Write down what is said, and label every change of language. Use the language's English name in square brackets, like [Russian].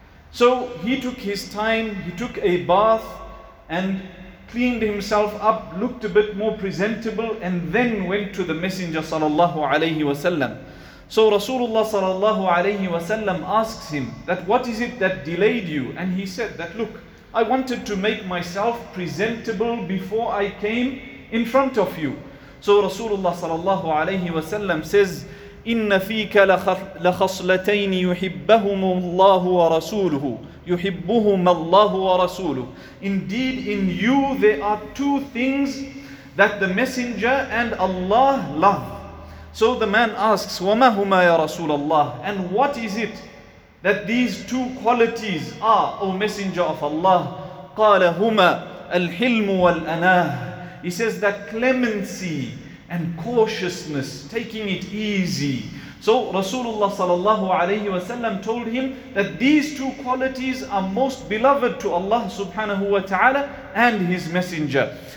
[English] So he took his time, he took a bath and cleaned himself up, looked a bit more presentable, and then went to the Messenger sallallahu alayhi wa sallam. So Rasulullah sallallahu alayhi wa sallam asks him that what is it that delayed you? And he said that, look, I wanted to make myself presentable before I came in front of you. So Rasulullah sallallahu alayhi wa sallam says, [Arabic] إِنَّ فِيكَ لَخَصْلَتَيْنِ يُحِبَّهُمُ اللَّهُ وَرَسُولُهُ يُحِبُّهُمَ اللَّهُ وَرَسُولُهُ. [English] Indeed, in you there are two things that the Messenger and Allah love. So the man asks, [Arabic] وَمَا هُمَا يَا رَسُولَ اللَّهُ. [English] And what is it that these two qualities are, O Messenger of Allah? [Arabic] قَالَ هُمَا الْحِلْمُ وَالْأَنَاهُ. [English] He says that clemency and cautiousness, taking it easy. So Rasulullah sallallahu alayhi wa sallam told him that these two qualities are most beloved to Allah subhanahu wa ta'ala and His Messenger.